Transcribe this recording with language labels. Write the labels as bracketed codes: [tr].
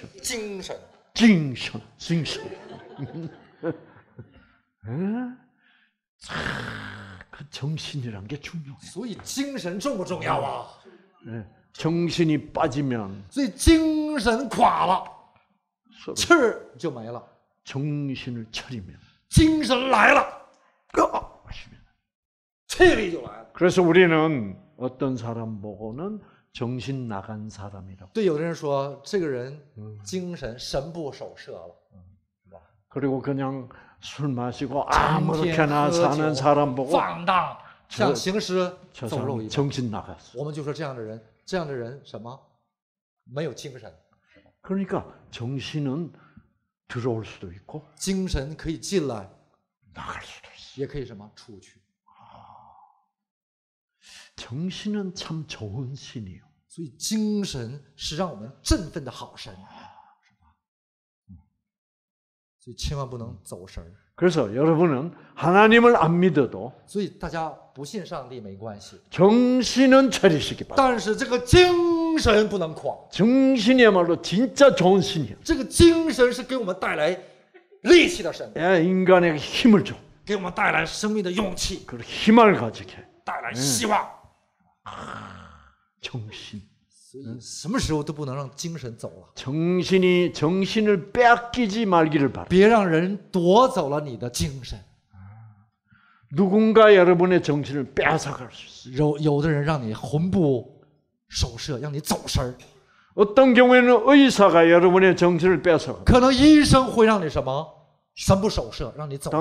[zh] 因为他打起了什么？精神。 [ko] 그 정신이란 게 중요해. [zh] 所以精神重不重要啊? [ko] 정신이 빠지면 [zh] 所以精神垮了, 气就没了. [ko] 정신을 차리면 [zh] 精神来了, 气力就来了. [ko] 그래서 우리는 어떤 사람 보고는 정신 나간 사람이라고. [zh] 对，有的人说这个人精神神不守舍了. [ko] 그리고 그냥 술 마시고 아무렇게나 사는 사람 보고 [zh] 放荡, [ko] 저 정신 나갔어. [zh] 我们就说这样的人，这样的人什么？没有精神。 [ko] 그러니까 정신은 들어올 수도 있고, [zh] 精神可以进来, [ko] 나갈 수도 있어. [zh] 也可以什么出去。 [ko] 정신은 참 좋은 신이요. [zh] 所以精神是让我们振奋的好神。千万不能走神. [ko] 그래서 여러분은 하나님을 안 믿어도 [zh] 所以大家不信上帝没关系. [ko] 정신은 차리시기 바랍니다. [zh] 但是这个精神不能垮. [ko] 정신이야말로 진짜 좋은 신이야. [zh] 这个精神是给我们带来力气的神. [ko] 예, 인간에게 힘을 줘. [zh] 给我们带来生命的勇气. [ko] 그리고 희망을 가지게. [zh] 带来希望. [ko] 정신. [zh] 什么时候都不能让精神走了. [ko] 정신이 정신을 빼앗기지 말기를 바라. [zh] 别让人夺走了你的精神. [ko] 누군가 여러분의 정신을 빼앗아갈 수 있어. [zh] 有的人让你魂不守舍，让你走神. [ko] 어떤 경우에는 의사가 여러분의 정신을 빼앗아. [zh] 可能医生会让你什么？神不守舍，让你走神.